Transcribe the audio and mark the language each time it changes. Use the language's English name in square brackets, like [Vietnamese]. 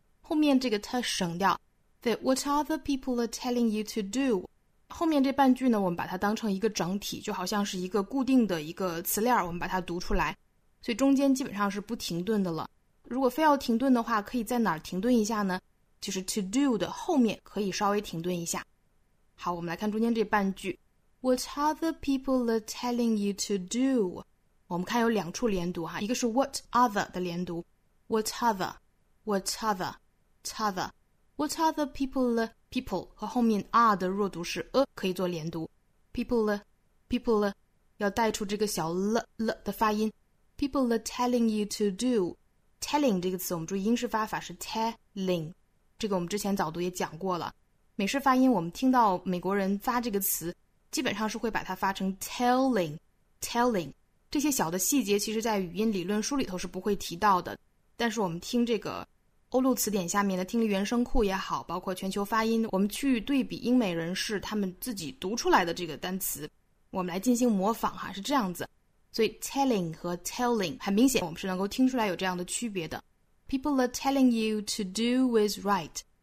[Chinese] 后面这个 t 省掉 [English] that what other people are telling you to do. [Chinese] 后面这半句呢，我们把它当成一个整体，就好像是一个固定的一个词链，我们把它读出来。所以中间基本上是不停顿的了。如果非要停顿的话，可以在哪儿停顿一下呢？就是 to do 的后面可以稍微停顿一下。好，我们来看中间这半句。 [English] What other people are telling you to do? [Chinese] 我们看有两处连读哈，一个是 what other 的连读。What other. [English] What other people [Chinese] 和后面 are 的弱读是可以做连读。 People 要带出这个小 l 的发音。 [English] People are telling you to do. [Chinese] Telling 这个词我们注意英式发法是 telling, 这个我们之前早读也讲过了。美式发音我们听到美国人发这个词基本上是会把它发成 telling, 这些小的细节其实在语音理论书里头是不会提到的，但是我们听这个欧陆词典下面的听力原声库也好，包括全球发音，我们去对比英美人士他们自己读出来的这个单词，我们来进行模仿哈，是这样子。所以 telling 和 telling 很明显我们是能够听出来有这样的区别的。 [English] People are telling you to do is right.